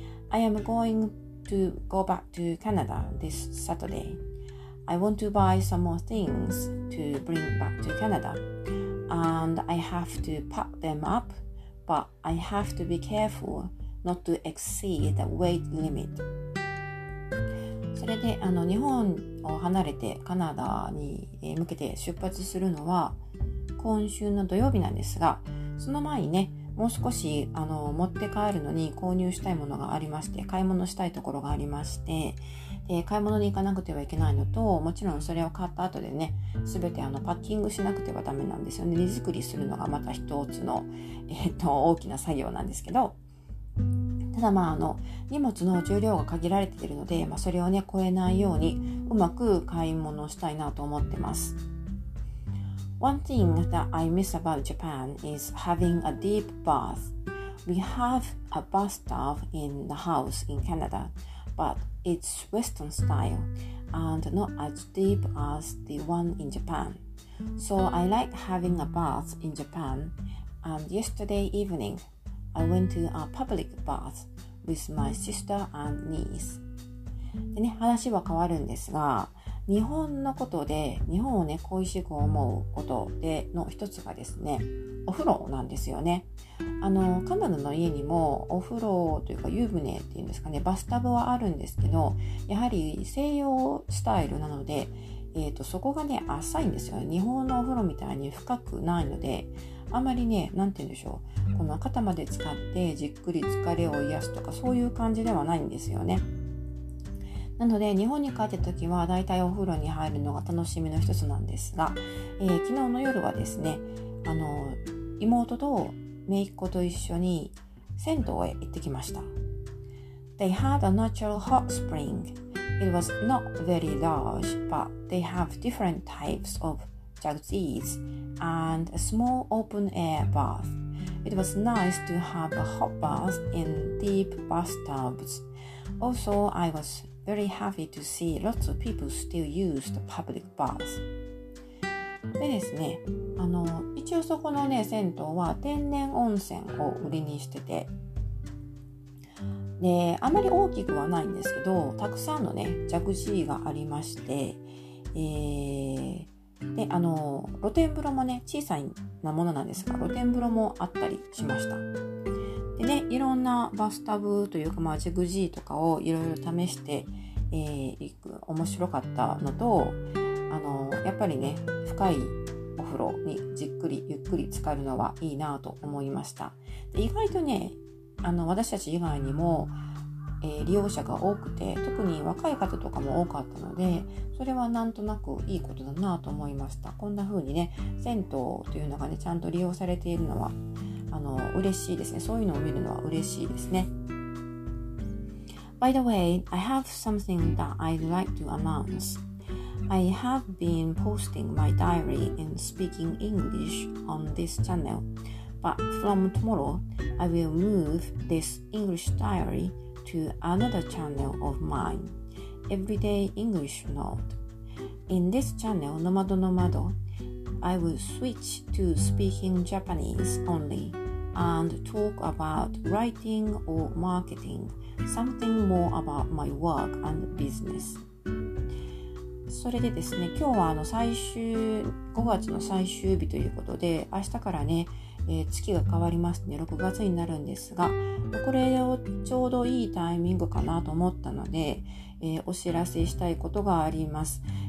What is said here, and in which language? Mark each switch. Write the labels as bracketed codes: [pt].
[en] I am going to go back to Canada this Saturday. I want to buy some more things to bring back to Canada. And I have to pack them up. But I have to be careful not to exceed the weight limit. [ja] それで日本を離れてカナダに向けて出発するのは今週の土曜日なんですが、その前にね、もう少し持って帰るのに購入したいものがありまして、買い物したいところがありまして、で買い物に行かなくてはいけないのと、もちろんそれを買った後でね、すべてパッキングしなくてはダメなんですよね。荷造りするのがまた一つの、大きな作業なんですけど、ただまあ荷物の重量が限られているので、まあ、それをね、超えないようにうまく買い物をしたいなと思ってます。 [en] One thing that I miss about Japan is having a deep bath. We have a bathtub in the house in Canada, but it's Western style and not as deep as the one in Japan. So I like having a bath in Japan. And yesterday evening, I went to a public bath with my sister and niece. [ja] でね、話は変わるんですが、日本のことで、日本をね、恋しく思うことでの一つがですね、お風呂なんですよね。カナダの家にもお風呂というか湯船っていうんですかね、バスタブはあるんですけど、やはり西洋スタイルなので、そこがね、浅いんですよね。日本のお風呂みたいに深くないので、あまりね、なんて言うんでしょう、この肩まで使ってじっくり疲れを癒すとか、そういう感じではないんですよね。なので日本に帰った時はだいたいお風呂に入るのが楽しみの一つなんですが、昨日の夜はですね、妹と姪っ子と一緒に銭湯へ行ってきました。 [en] They had a natural hot spring. It was not very large, but they have different types of jacuzzis and a small open air bath. It was nice to have a hot bath in deep bathtubs. Also, I wasVery happy to see lots of people still use the public baths. [ja] でですね、一応そこのね、銭湯は天然温泉を売りにしてて、で、あまり大きくはないんですけど、たくさんのね、ジャグジーがありまして、で、露天風呂もね、小さなものなんですが、露天風呂もあったりしました。でね、いろんなバスタブというか、まあ、ジグジーとかをいろいろ試して、いく面白かったのと、やっぱりね、深いお風呂にじっくりゆっくり浸かるのはいいなと思いました。で、意外とね、私たち以外にも、利用者が多くて、特に若い方とかも多かったので、それはなんとなくいいことだなと思いました。こんな風にね、銭湯というのがね、ちゃんと利用されているのは嬉しいですね。そういうのを見るのは嬉しいですね。 [en] By the way, I have something that I'd like to announce. I have been posting my diary in speaking English on this channel, but from tomorrow, I will move this English diary to another channel of mine, Everyday English Note. In this channel, Nomado Nomado, I will switch to speaking Japanese only and talk about writing or marketing, something more about my work and business. [ja] それでですね、今日はあの最終5月の最終日ということで、明日からね、月が変わりますね、6月になるんですが、これをちょうどいいタイミングかなと思ったので、お知らせしたいことがあります。